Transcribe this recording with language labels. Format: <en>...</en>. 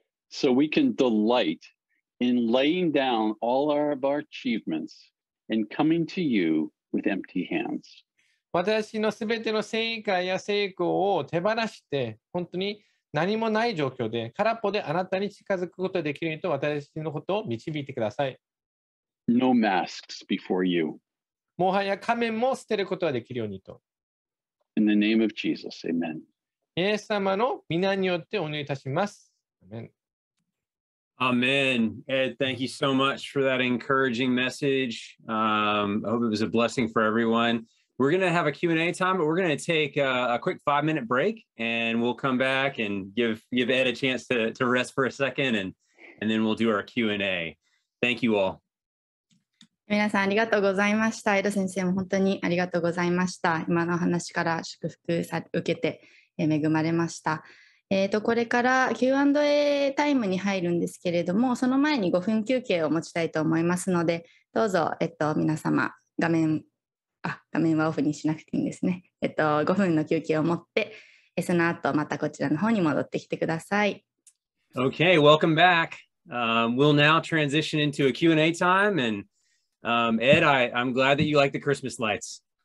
<en>So we can delight in laying down all of our achievements and coming to you with empty hands.</en> <ja>私のすべての成果や成功を手放して、本当に何もない状況で、空っぽであなたに近づくことができるようにと私たちのことを導いてください。</ja> <en>No masks before you.</en> <ja>もはや仮面も捨てることができるようにと。</ja> <en>In the name of Jesus, amen.</en> <ja>イエス様の御名によってお祈りいたします。</ja> <en>Amen. Amen. Ed, thank you so much for that encouraging message. I hope it was a blessing for everyone. We're going to have a Q&A time, but we're going to take a quick 5-minute break, and we'll come back and give Ed a chance to rest for a second, and then we'll do our Q&A. Thank you all.</en> <ja>皆さんありがとうございました。エド先生も本当にありがとうございました。今の話から祝福受けて恵まれました。これから Q&A タイムに入るんですけれども、その前に5分休憩を持ちたいと思いますので、どうぞ、皆様、画面はオフにしなくていいんですね。 5分の休憩を持って、その後またこちらの方に戻ってきてください。</ja> <en>Okay, welcome back. We'll now transition into a Q&A time and... Ed, I'm glad that you like the Christmas lights.</en>